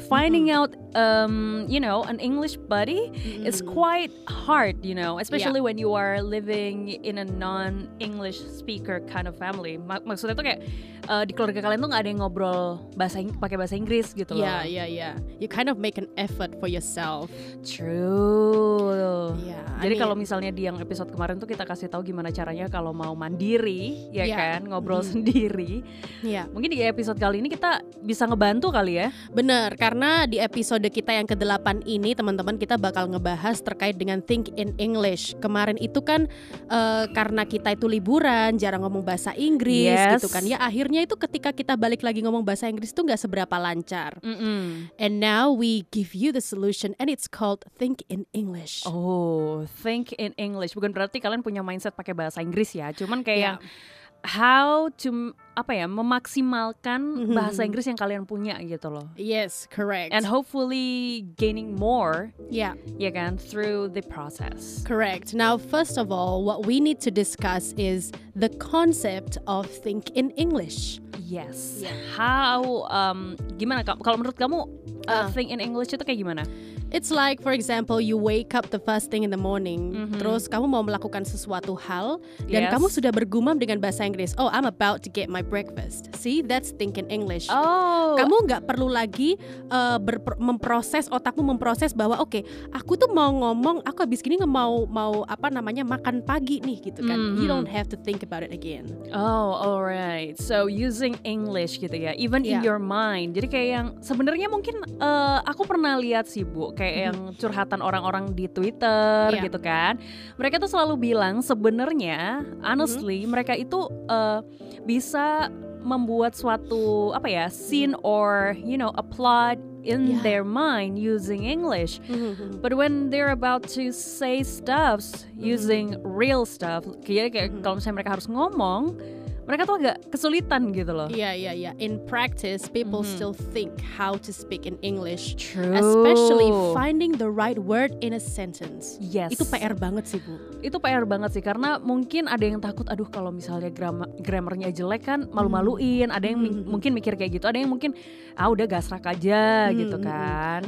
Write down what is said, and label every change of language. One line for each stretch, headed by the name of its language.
English: Finding out you know, an English buddy is quite hard, you know, especially when you are living in a non-English speaker kind of family.
Indonesian: Maksudnya tuh kayak di keluarga kalian tuh gak ada yang ngobrol pakai bahasa Inggris gitu loh.
English: Yeah. You kind of make an effort for yourself. True.
Indonesian: Yeah, jadi kalau misalnya di yang episode kemarin tuh kita kasih tahu gimana caranya kalau mau mandiri, ya kan, ngobrol sendiri.
English: Yeah.
Indonesian: Mungkin di episode kali ini kita bisa ngebantu kali ya. Bener, karena di episode kita yang ke-8 ini teman-teman kita bakal ngebahas terkait dengan think in English. Kemarin itu kan karena kita itu liburan, jarang ngomong bahasa Inggris gitu kan. Ya akhirnya itu ketika kita balik lagi ngomong bahasa Inggris tuh gak seberapa lancar. Mm-mm.
English: And now we give you the solution and it's called think in English. Oh, think in English.
Indonesian: Bukan berarti kalian punya mindset pakai bahasa Inggris ya. Cuman kayak
English: how to
Indonesian: memaksimalkan bahasa Inggris yang kalian punya gitu loh.
English: Yes, correct. And hopefully gaining more. Yeah. Yeah,
Indonesian: kan,
English: through the process. Correct. Now, first of all, what we need to discuss is the concept of think in English. Yes. Yeah. How
Indonesian: gimana kalau menurut kamu think in English itu kayak gimana?
English: It's like, for example, you wake up the first thing in the morning. Mm-hmm.
Indonesian: Terus kamu mau melakukan sesuatu hal dan kamu sudah bergumam dengan bahasa Inggris.
English: Oh, I'm about to get my breakfast. See, that's think in English. Oh.
Indonesian: Kamu nggak perlu lagi memproses otakmu memproses bahwa oke, aku tuh mau ngomong, aku habis gini mau makan pagi nih gitu kan.
English: Mm-hmm. You don't have to think about it again. Oh, alright. So using English
Indonesian: gitu ya,
English: even in your mind.
Indonesian: Jadi kayak yang sebenarnya mungkin aku pernah lihat sih, Bu. Kayak yang curhatan orang-orang di Twitter gitu kan. Mereka tuh selalu bilang sebenarnya honestly mereka itu bisa membuat suatu apa ya
English: scene or you know a plot in their mind using English.
Indonesian: Mm-hmm.
English: But when they're about to say stuffs using real stuff,
Indonesian: kayak kalau misalnya mereka harus ngomong, mereka tuh agak kesulitan gitu loh.
English: Yeah. In practice, people still think how to speak in English. True. Especially finding the right word in a sentence. Yes.
Indonesian: Itu PR banget sih, Bu. Itu PR banget sih, karena mungkin ada yang takut, aduh kalau misalnya grammarnya jelek kan malu-maluin. Ada yang mungkin mikir kayak gitu, ada yang mungkin, ah udah gasrak aja gitu kan.